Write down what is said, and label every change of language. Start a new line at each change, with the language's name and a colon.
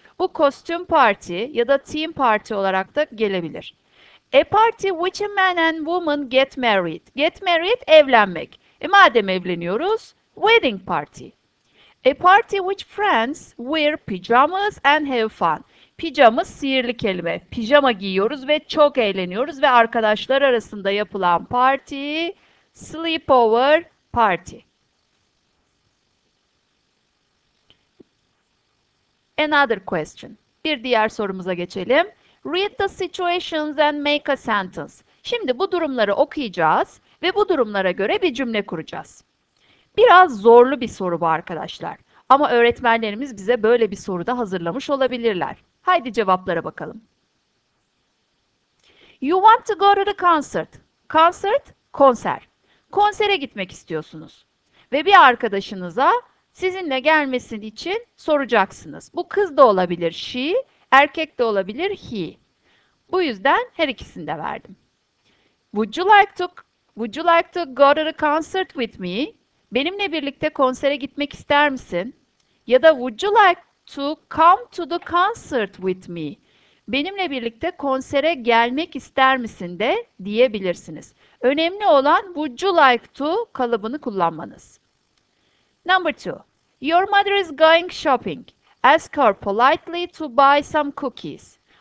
Turkish: Bu kostüm parti ya da team party olarak da gelebilir.
English: A party which a man and woman get married. Get married, evlenmek.
Turkish: E madem evleniyoruz,
English: wedding party. A party which friends wear pajamas and have fun.
Turkish: Pijama sihirli kelime. Pijama giyiyoruz ve çok eğleniyoruz ve arkadaşlar arasında yapılan parti, sleepover party.
English: Another question.
Turkish: Bir diğer sorumuza geçelim.
English: Read the situations and make a sentence.
Turkish: Şimdi bu durumları okuyacağız ve bu durumlara göre bir cümle kuracağız. Biraz zorlu bir soru bu arkadaşlar. Ama öğretmenlerimiz bize böyle bir soru da hazırlamış olabilirler. Haydi cevaplara bakalım.
English: You want to go to the concert. Concert, konser.
Turkish: Konsere gitmek istiyorsunuz. Ve bir arkadaşınıza sizinle gelmesin için soracaksınız. Bu kız da olabilir she, erkek de olabilir he. Bu yüzden her ikisini de verdim.
English: Would you like to go to the concert with me?
Turkish: Benimle birlikte konsere gitmek ister misin? Ya da
English: would you like to come to the concert with me?
Turkish: Benimle birlikte konsere gelmek ister misin de diyebilirsiniz. Önemli olan would you like to kalıbını kullanmanız.
English: Number two. Your mother is going shopping. Ask her politely to buy some cookies.